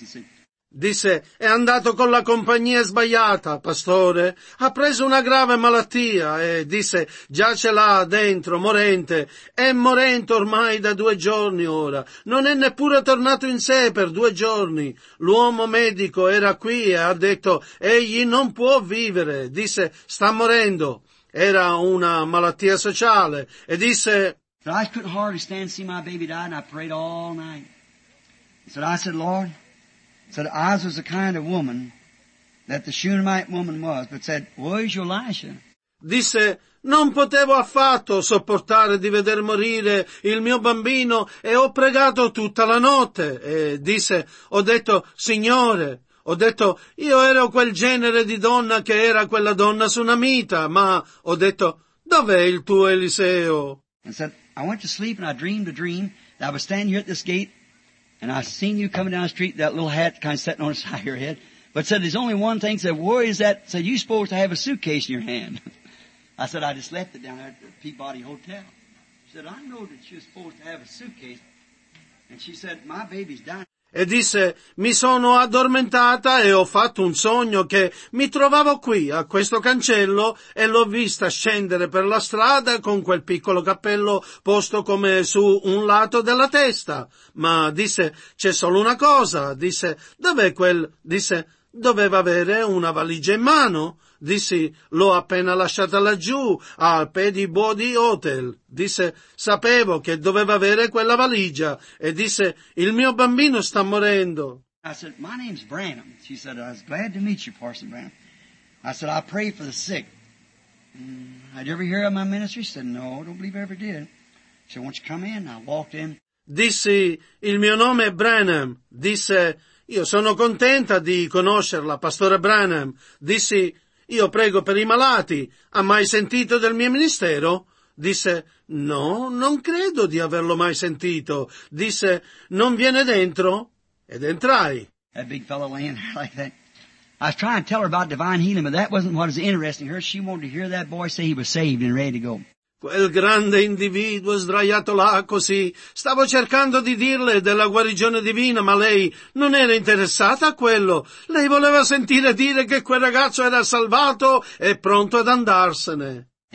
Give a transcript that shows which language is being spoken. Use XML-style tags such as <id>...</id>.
<en>And said,</en> <it>"Disse, è andato con la compagnia sbagliata, pastore, ha preso una grave malattia e, disse, giace là dentro, morente, è morente ormai da 2 giorni ora, non è neppure tornato in sé per 2 giorni, l'uomo medico era qui e ha detto, egli non può vivere, disse, sta morendo, era una malattia sociale, e disse,</it> <en>I could hardly stand to see my baby die and I prayed all night, so I said, Lord, said, Oz was the kind of woman that the Shunammite woman was, but said, where's your Elisha?</en> <it>Disse, non potevo affatto sopportare di veder morire il mio bambino e ho pregato tutta la notte. E disse, ho detto, Signore, ho detto, io ero quel genere di donna che era quella donna sunamita, ma ho detto, dov'è il tuo Eliseo?</it> <en>And said, I went to sleep and I dreamed a dream that I was standing here at this gate. And I seen you coming down the street, that little hat kind of sitting on the side of your head. But said, there's only one thing. Said, where is that? Said, you supposed to have a suitcase in your hand. I said, I just left it down there at the Peabody Hotel. She said, I know that you're supposed to have a suitcase. And she said, my baby's dying.</en> <it>E disse, mi sono addormentata e ho fatto un sogno che mi trovavo qui a questo cancello e l'ho vista scendere per la strada con quel piccolo cappello posto come su un lato della testa. Ma disse, c'è solo una cosa. Disse, dov'è quel? Disse, doveva avere una valigia in mano. Dissi, l'ho appena lasciata laggiù al Peabody Hotel. Disse, sapevo che doveva avere quella valigia. E disse, il mio bambino sta morendo.</it> <en>I said, my name's Branham. She said, I was glad to meet you, Parson Branham. I said, I pray for the sick. Had you ever hear of my ministry? She said, no, I don't believe I ever did. She said, won't you come in? I walked in.</en> <it>Dissi, il mio nome è Branham. Disse, io sono contenta di conoscerla, Pastore Branham. Dissi, io prego per i malati. Ha mai sentito del mio ministero? Disse, no, non credo di averlo mai sentito. Disse, non viene dentro? Ed entrai.</it> <en>That big fellow laying there like that. I was trying to tell her about divine healing, but that wasn't what was interesting her. She wanted to hear that boy say he was saved and ready to go.</en> <it>Quel grande individuo sdraiato là così, stavo cercando di dirle della guarigione divina, ma lei non era interessata a quello. Lei voleva sentire dire che quel ragazzo era salvato e pronto ad andarsene.</it>